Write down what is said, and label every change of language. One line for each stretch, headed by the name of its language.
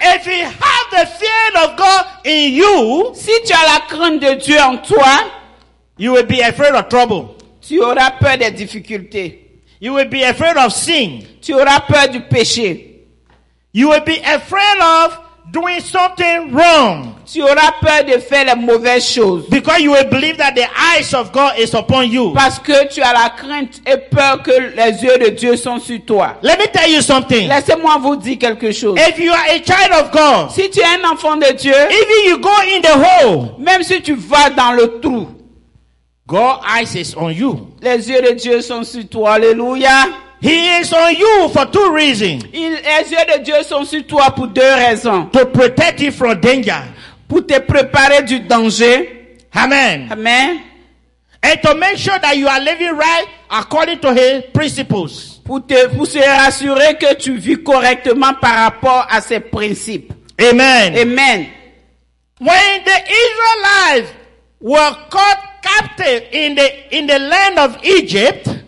English: If you have the fear of God in you,
French: si tu as la crainte de Dieu en toi,
English: you will be afraid of trouble.
French: Tu auras peur des difficultés.
English: You will be afraid of sin.
French: Tu auras peur du péché.
English: You will be afraid of doing something wrong.
French: Tu auras peur de faire les mauvaises choses.
English: Because you will believe that the eyes of God is upon you.
French: Parce que tu as la crainte et peur que les yeux de Dieu sont sur toi.
English: Let me tell you something.
French: Laissez-moi vous dire quelque chose.
English: If you are a child of God,
French: si tu es un enfant de Dieu,
English: even you go in the hole,
French: même si tu vas dans le trou,
English: God's eyes is on you.
French: Les yeux de Dieu sont sur toi. Alléluia.
English: He is on you for 2 reasons.
French: Les yeux de Dieu sont sur toi pour 2 raisons.
English: To protect you from danger.
French: Pour te préparer du danger. Amen. Amen.
English: And to make sure that you are living right according to His principles.
French: Pour se rassurer que tu vis correctement par rapport à ses principes. Amen. Amen.
English: When the Israelites were caught captive in the land of Egypt.